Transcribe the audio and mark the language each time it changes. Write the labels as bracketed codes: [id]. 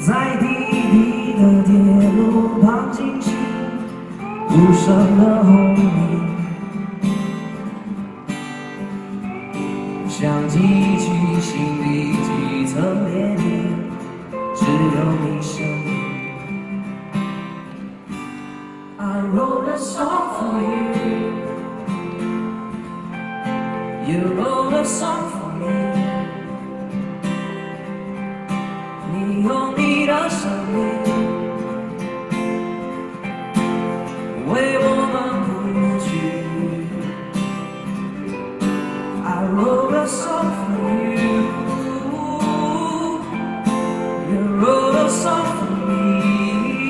[zh] 在低低的铁路旁惊醒，无声的轰鸣，想记起心底几层裂缝，只有你声音。 [en] I wrote a song for you, you wrote a song for me. [zh] 你用你的声音为我们谱曲。 [en] I wrote a song for you, you wrote a song for me.